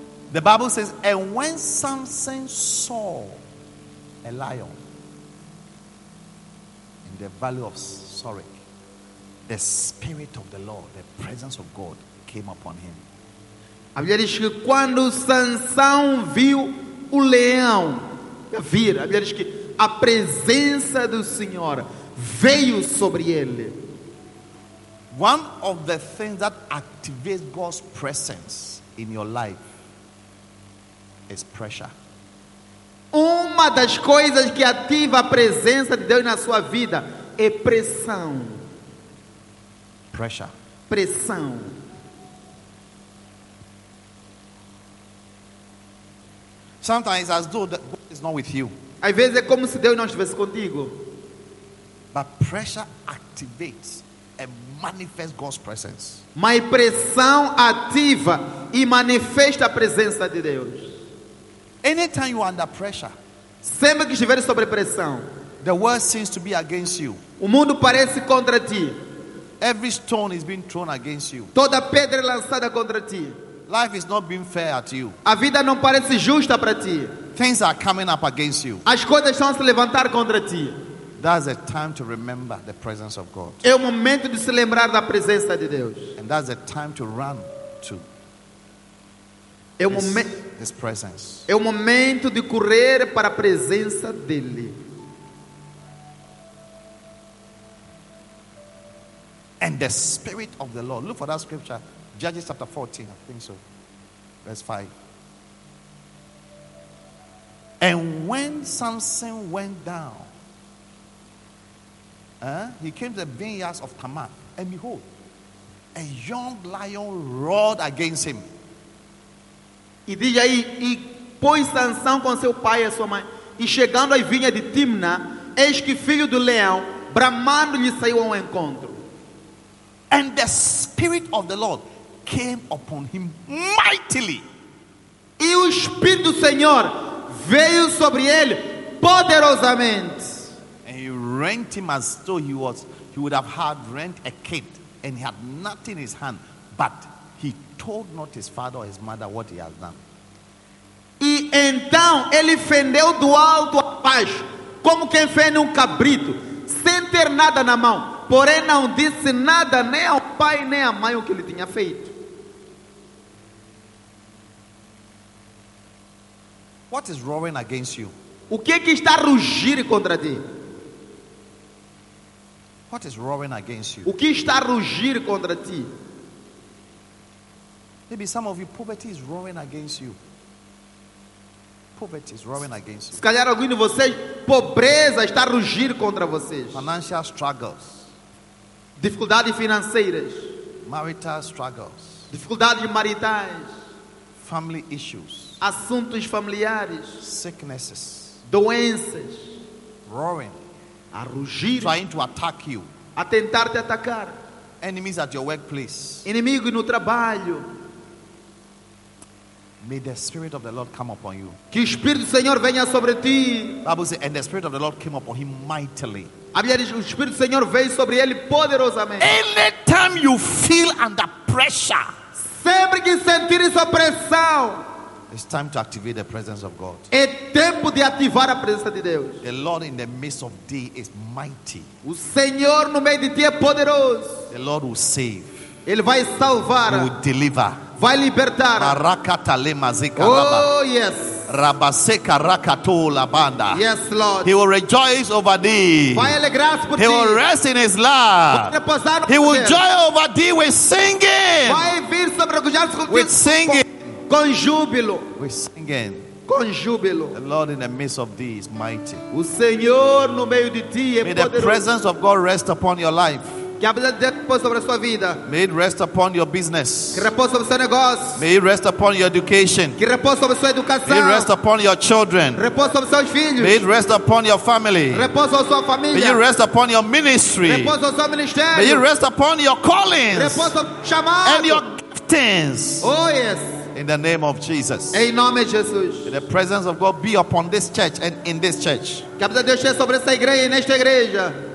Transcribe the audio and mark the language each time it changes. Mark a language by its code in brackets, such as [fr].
[en] The Bible says, and when Samson saw a lion in the valley of Sorek, the spirit of the Lord, the presence of God, came upon him. [pt] A Bíblia diz que quando Sansão viu o leão vir, a Bíblia diz que a presença do Senhor veio sobre ele. [en] One of the things that activates God's presence in your life is pressure. [pt] Uma das coisas que ativa a presença de Deus na sua vida é pressão. [en] Pressure. [pt] Pressão. [en] Sometimes as though that God is not with you. [pt] Às vezes é como se Deus não estivesse contigo. [en] But pressure activates and manifests God's presence. [pt] Mas pressão ativa e manifesta a presença de Deus. [en] Anytime you are under pressure, [pt] sempre que estiver sob pressão, [en] the world seems to be against you. [pt] O mundo parece contra ti. [en] Every stone is being thrown against you. [pt] Toda pedra lançada contra ti. [en] Life is not being fair at you. [pt] A vida não parece justa para ti. [en] Things are coming up against you. [pt] As coisas estão a se levantar contra ti. [en] That's a time to remember the presence of God. [pt] É o momento de se lembrar da presença de Deus. [en] And that's a time to run to. [pt] É o momento. [en] His presence. [pt] É o momento de correr para a presença dele. [en] And the spirit of the Lord. Look for that scripture. Judges chapter 14, I think so. Verse 5. And when Samson went down, he came to the vineyards of Tamar, and behold, a young lion roared against him. [pt] E diz aí, e pôs Sansão com seu pai e sua mãe, e chegando à vinha de Timna, eis que filho do leão, bramando, lhe saiu ao encontro. [en] And the spirit of the Lord came upon him mightily. [pt] E o Espírito do Senhor veio sobre ele poderosamente. [en] And he rent him as though he would have had rent a kid, and he had nothing in his hand, but he told not his father or his mother what he has done. [pt] E então ele fendeu do alto a paz, como quem fende cabrito, sem ter nada na mão. Porém não disse nada nem ao pai nem à mãe o que ele tinha feito. [en] What is roaring against you? [pt] O que é que está a rugir contra ti? [en] What is roaring against you? [pt] O que está a rugir contra ti? [en] Maybe some of you, poverty is roaring against you. Poverty is roaring against you. [pt] Se calhar alguém de vocês, pobreza está a rugir contra vocês. [en] Financial struggles. [pt] Dificuldades financeiras. [en] Marital struggles. [pt] Dificuldades maritais. [en] Family issues. [pt] Assuntos familiares. [en] Sicknesses. [pt] Doenças. [en] Roaring. [pt] A rugir. [en] Trying to attack you. [pt] A tentar te atacar. [en] Enemies at your workplace. [pt] Inimigo no trabalho. [en] May the spirit of the Lord come upon you. [pt] Que o Espírito do Senhor venha sobre ti. [en] Bible says, and the spirit of the Lord came upon him mightily. [pt] A Bíblia diz, o Espírito do Senhor veio sobre ele poderosamente. [en] Anytime you feel under pressure, [pt] sempre que sentir essa pressão, [en] it's time to activate the presence of God. [pt] É tempo de ativar a presença de Deus. [en] The Lord in the midst of thee is mighty. [pt] O Senhor no meio de ti é poderoso. [en] The Lord will save. [pt] Ele vai salvar. [en] He will deliver. [pt] Vai libertar. Arakata le mazika raba. [en] Oh yes. Rabaseka rakato la banda. Yes, Lord. He will rejoice over thee. [pt] Vai alegrar por ti. [en] He will rest in his love. He will joy over thee with singing. [pt] Vai vir sobre regozijar-se contigo. [en] With singing. [pt] Com júbilo. [en] With singing. [pt] Com júbilo. [en] The Lord in the midst of thee is mighty. [pt] O Senhor no meio de ti é poderoso. [en] May the presence of God rest upon your life. [pt] Que a bênção de Deus repouse sobre a sua vida. [en] May it rest upon your business. [pt] Que repouse sobre o seu negócio. [en] May it rest upon your education. [pt] Que repouse sobre a sua educação. [en] May it rest upon your children. [pt] Repouse sobre seus filhos. [en] May it rest upon your family. [pt] Repouse sobre sua família. [en] May it rest upon your ministry. [pt] Repouse sobre o seu ministério. [en] May it rest upon your callings. [pt] Repouse sobre o chamado. [en] And your giftings. Oh yes. In the name of Jesus. [pt] Em nome de Jesus. [en] May the presence of God be upon this church and in this church. [pt] Que a bênção de Deus esteja sobre esta igreja e nesta igreja.